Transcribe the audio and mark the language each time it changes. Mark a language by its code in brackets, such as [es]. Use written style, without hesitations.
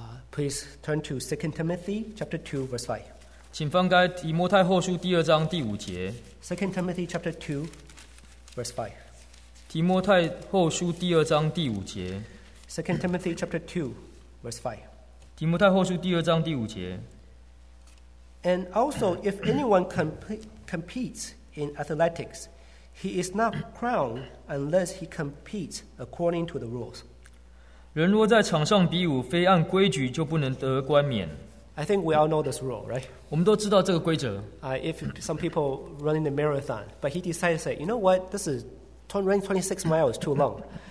[en] Please turn to 2 Timothy chapter 2 verse 5. [zh] 请翻开提摩太后书第二章第五节。 [en] 2 Timothy chapter 2 verse 5. [zh] 提摩太后书第二章第五节。 [en] 2 Timothy chapter 2 verse 5. [zh] 提摩太后书第二章第五节。 [en] And also, if anyone competes in athletics, he is not crowned unless he competes according to the rules. [zh] 人若在场上比武，非按规矩，就不能得冠冕。 [en] I think we all know this rule, right? [zh] 我们都知道这个规则。 [en] If some people running the marathon, but he decides to say, you know what, this is running 26 miles too long.